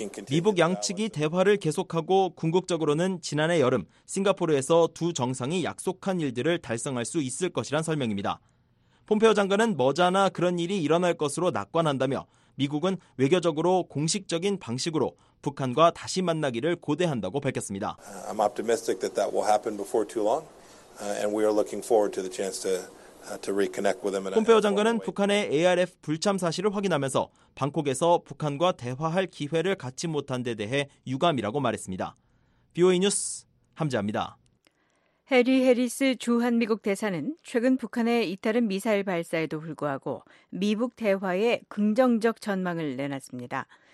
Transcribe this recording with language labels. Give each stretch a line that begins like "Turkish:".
Korean: 미국 양측이 대화를 계속하고 궁극적으로는 지난해 여름 싱가포르에서 두 정상이 약속한 일들을 달성할 수 있을 것이란 설명입니다. 폼페오 장관은 머자나 그런 일이 일어날 것으로 낙관한다며 미국은 외교적으로 공식적인 방식으로 북한과 다시 만나기를 고대한다고 밝혔습니다.
English: I'm optimistic that that will happen before too long, and we are looking forward to the chance to reconnect with them.
Korean: 폼페오 장관은 북한의 ARF 불참 사실을 확인하면서 방콕에서 북한과 대화할 기회를 갖지 못한 데 대해 유감이라고 말했습니다. BOA 뉴스 함재합니다. 해리 해리스 주한미국 대사는 최근 북한의 잇따른 미사일 발사에도 불구하고 미북 대화에 긍정적 전망을 내놨습니다.